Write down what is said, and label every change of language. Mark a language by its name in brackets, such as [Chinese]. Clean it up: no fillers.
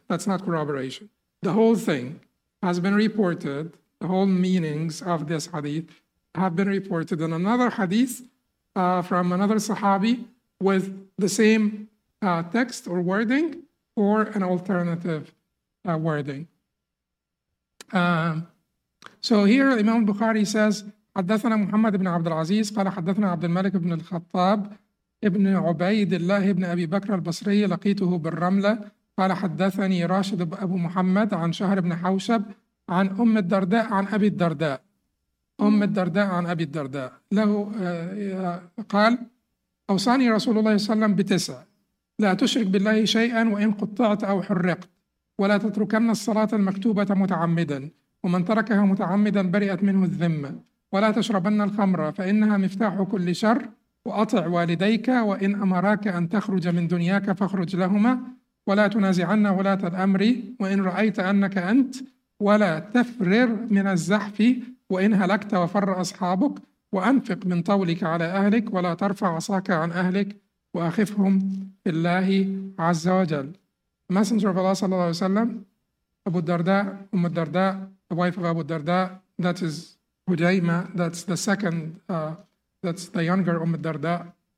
[English] That's not corroboration. The whole thing has been reported, the whole meanings of this hadith have been reported in another hadith from another Sahabi with the same text or wording or an alternative wording. [Arabic] So here Imam Bukhari says, حدثنا محمد بن عبد العزيز قال حدثنا عبد الملك بن الخطاب ابن عبيد الله ابن أبي بكر البصري لقيته بالرملة قال حدثني راشد أبو محمد عن شهر بن حوشب عن أم الدرداء عن أبي الدرداء أم الدرداء عن أبي الدرداء له قال أوصاني رسول الله صلى الله عليه وسلم بتسع: لا تشرك بالله شيئا وإن قطعت أو حرقت، ولا تتركن الصلاة المكتوبة متعمدا، ومن تركها متعمدا برئت منه الذمة، ولا تشربن الخمر فإنها مفتاح كل شر، وأطع والديك وإن أمراك أن تخرج من دنياك فاخرج لهما، ولا تنازعن ولاة الأمر وإن رأيت أنك أنت، ولا تفرر من الزحف وإن هلكت وفر أصحابك، وأنفق من طولك على أهلك، ولا ترفع عصاك عن أهلك، وأخفهم بالله عز وجل. [English] Messenger of Allah [Arabic] صلى الله عليه وسلم, [English] Abu Darda, Umm al-Darda, the wife of Abu Darda, that is Hudaymah, that's the second, that's the younger Umm al-Darda,